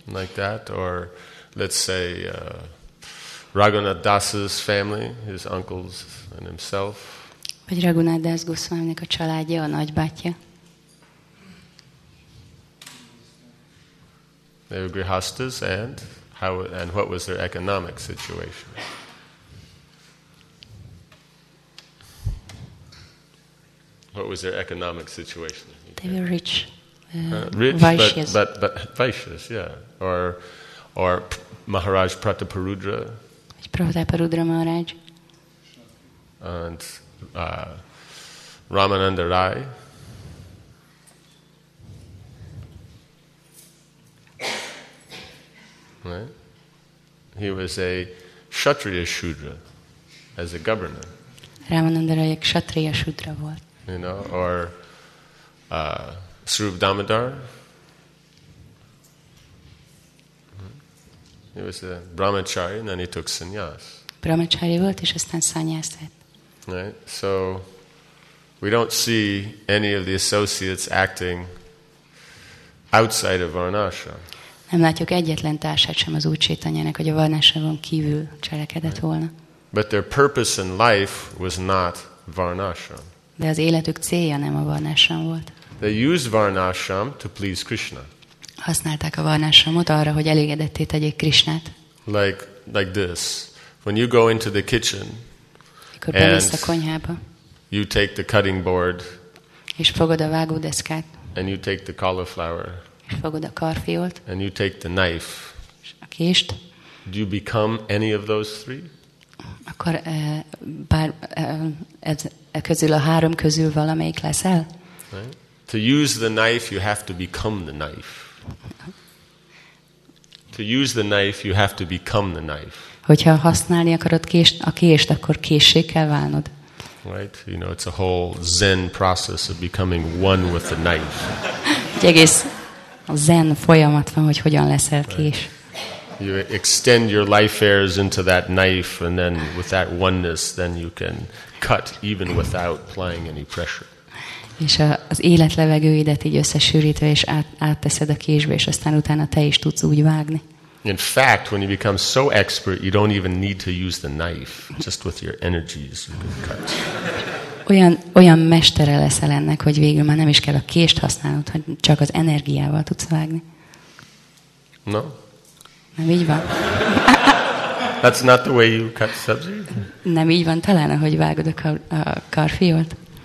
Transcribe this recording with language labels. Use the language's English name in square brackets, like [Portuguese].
[English] Like that, or let's say Raghunath Das's family, his uncles and himself. [Hungarian] Vagy Raghunath Das Goswami-nek a családja, a nagybátyja. [English] They were grihasthas, and how and what was their economic situation? They were rich. Rich, Vaishyas. But Vaishyas, yeah. Or Maharaj Prataparudra. Prataparudra Maharaj. And Ramananda Rai. Right. He was a Kshatriya Shudra as a governor. [Hungarian] Ramananda Rai Kshatriya Shudra volt. [English] You know, or Srub Damodar. He was a Brahmachari and then he took sannyas. [Hungarian] Brahmachari volt és aztán sannyas lett. [English] Right. So we don't see any of the associates acting outside of Varnashram. [Hungarian] Nem látjuk egyetlen társát sem az Úr Csétanyának, hogy a Varnásravon kívül cselekedett volna. [English] But their purpose in life was not Varnashram. [Hungarian] De az életük célja nem a Varnashram volt. [English] They used Varnashram to please Krishna. [Hungarian] Használták a Varnashramot arra, hogy elégedetté tegyék Krishnát. [English] Like this. When you go into the kitchen, [Hungarian] mikor bemész a konyhába, [English] you take the cutting board, [Hungarian] és fogod a vágódeszkát, [English] and you take the cauliflower, [Hungarian] és fogod a karfiolt, [English] and you take the knife, [Hungarian] és a kést, [English] do you become any of those three? [Hungarian] Akkor bár ez közül a három közül valamelyik leszel? [English] Right? To use the knife, you have to become the knife. To use the knife, you have to become the knife. [Hungarian] Hogyha használni akarod kést, a kést, akkor késé kell válnod. [English] Right? You know, it's a whole Zen process of becoming one with the knife. [Hungarian] Egy egész Zen folyamat van, hogy hogyan leszel kés. [English] You extend your life airs into that knife, and then with that oneness, then you can cut even without applying any pressure. [Hungarian] És az élet levegőidet így összesűrítve és átteszed a késbe, és aztán utána te is tudsz úgy vágni. [English] In fact, when you become so expert, you don't even need to use the knife. Just with your energies, you can cut. [Hungarian] Olyan mestere leszel ennek, hogy végül már nem is kell a kést használnod, hogy csak az energiával tudsz vágni. [English] No. [Hungarian] Nem így van. [English] That's not the way you cut sabzi. [Hungarian] Nem így van talán, ahogy vágod a karfiolt.